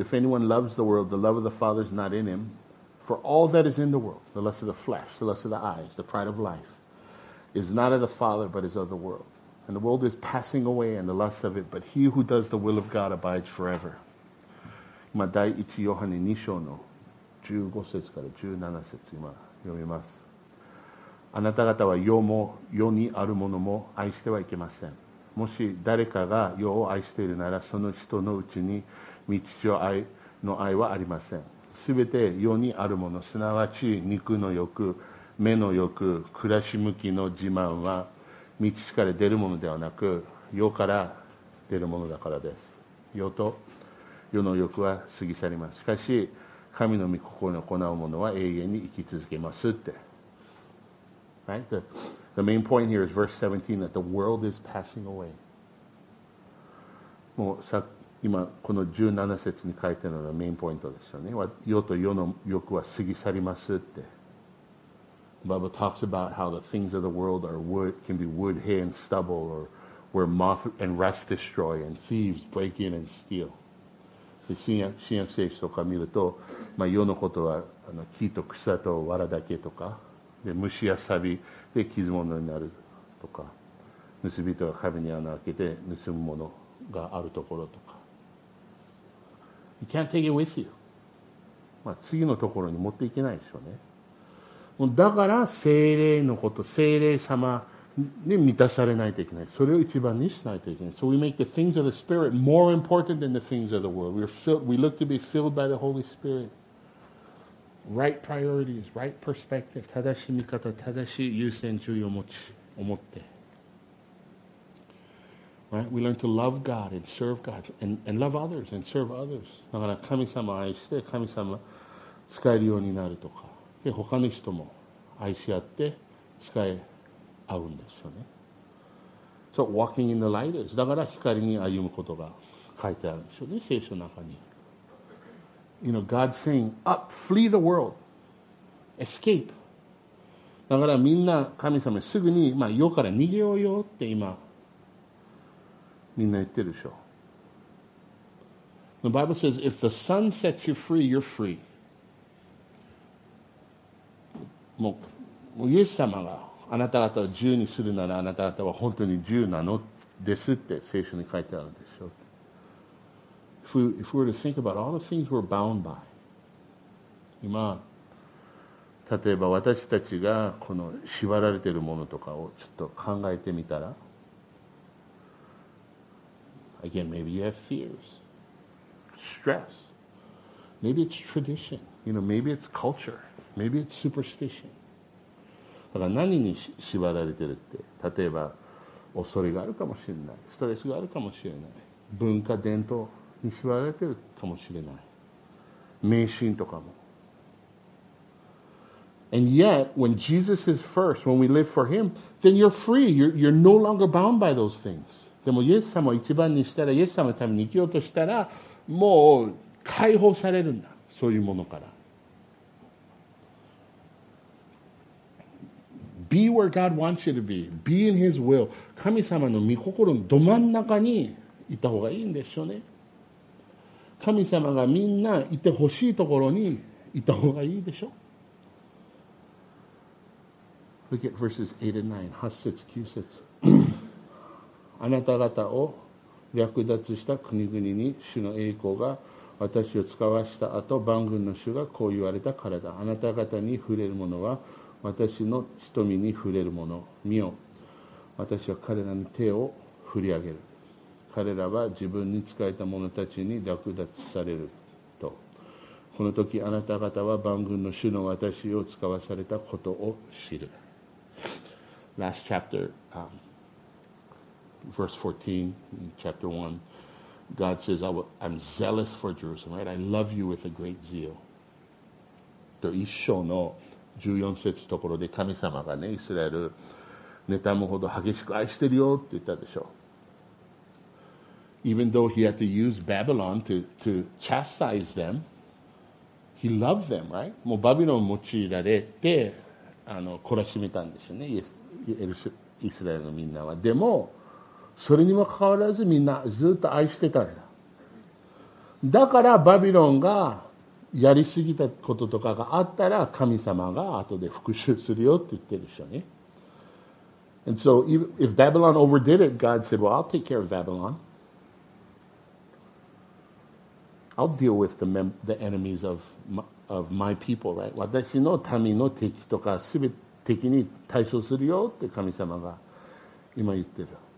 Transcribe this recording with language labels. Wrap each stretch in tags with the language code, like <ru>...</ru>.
<en>If anyone loves the world, the love of the Father is not in him. For all that is in the world, the lust of the flesh, the lust of the eyes, the pride of life, is not of the Father, but is of the world. And the world is passing away and the lust of it, but he who does the will of God abides forever.</en> <ja>今第一ヨハネ2章の15節から17節今読みます。あなた方は世にあるものも愛してはいけません。もし誰かが世を愛しているなら、その人のうちに御父の愛はありません。すべて世にあるもの、すなわち肉の欲、目の欲、暮らし向きの自慢は御父から出るものではなく、世から出るものだからです。世と世の欲は過ぎ去ります。しかし神の御心に行うものは永遠に生き続けますって。</ja> <en>Right? The main point here is verse 17, that the world is passing away.</en> <ja>もうさ今この17節に書いてあるのがメインポイントですよね。世と世の欲は過ぎ去りますって。</ja> <en>Bible talks about how the things of the world are wood, can be wood, hay, and stubble, or where moth and rust destroy, and thieves break in and steal.</en> <ja>新約聖書とか見ると、まあ、世のことは木と草と藁だけとか、で虫やサビで傷物になるとか、盗人が壁に穴を開けて盗むものがあるところとか。</ja> <en>You can't take it with you.</en> <ja>まあ次のところに持っていけないでしょうね。だから聖霊のこと、聖霊様に満たされないといけない。それを一番にしないといけない。</ja> <en>So we make the things of the Spirit more important than the things of the world. We look to be filled by the Holy Spirit. Right priorities, right perspective.</en> <ja>正しい見方、正しい優先順位を持って。</ja> <en>Right? We learn to love God and serve God and love others and serve others.</en> <ja>だから神様を愛して神様を使えるようになるとか。で他の人も愛し合って使い合うんですよね。</ja> <en>So walking in the light is.</en> <ja>だから光に歩むことが書いてあるんですよね、聖書の中に。</ja> <en>You know, God's saying, up, flee the world. Escape.</en> <ja>だからみんな神様すぐに、まあ、世から逃げようよって今みんな言ってるでしょ。</ja> <en>The Bible says, if the sun sets you free, you're free.</en> <ja>もうイエス様があなた方を自由にするならあなた方は本当に自由なのですって聖書に書いてあるんでしょう。</ja> <en>If we were to think about all the things we're bound by,</en> <ja>今例えば私たちがこの縛られているものとかをちょっと考えてみたら、</ja> <en>again maybe you have fears, stress, maybe it's tradition, you know, maybe it's culture. Maybe it's superstition.</en> <ja>だから何に縛られてるって、例えば恐れがあるかもしれない、ストレスがあるかもしれない、文化伝統に縛られてるかもしれない、迷信とかも。</ja> <en>And yet, when Jesus is first, when we live for Him, then you're free. You're no longer bound by those things.</en> <ja>でもイエス様を一番にしたら、イエス様のために生きようとしたら、もう解放されるんだ、そういうものから。</ja> <en>Be where God wants you to be. Be in His will.</en> <ja>神様の御心のど真ん中にいた方がいいんでしょうね。神様がみんないてほしいところにいた方がいいでしょう。</ja> <en>Look at verses 8 and 9.</en> <ja>8節、9節。あなた方を略奪した国々に主の栄光が私を使わした後、万軍の主がこう言われたからだ。あなた方に触れるものは私の瞳に触れるもの、見よ、私は彼らに手を振り上げる。彼らは自分に仕えた者たちに略奪されると。この時あなた方は万軍の主の私を使わされたことを知る。</ja> <en>Last chapter, verse 14, chapter 1, God says, I'm zealous for Jerusalem, right? I love you with a great zeal.</en> <ja>と一緒の14節ところで神様がね、イスラエル妬むほど激しく愛してるよって言ったでしょう。</ja> <en>Even though he had to use Babylon to chastise them, he loved them, right?</en> <ja>もうバビロン用いられて懲らしめたんですよね、イスラエルのみんなは。でもそれにもかかわらずみんなずっと愛してたんだ。だからバビロンがやりすぎたこととかがあったら神様が後で復讐するよって言ってるでしょうね。</ja> <en>And so if Babylon overdid it, God said, well, I'll take care of Babylon. I'll deal with the enemies of my people, right?</en> <ja>私の民の敵とか全て敵に対処するよって神様が今言ってる。</ja>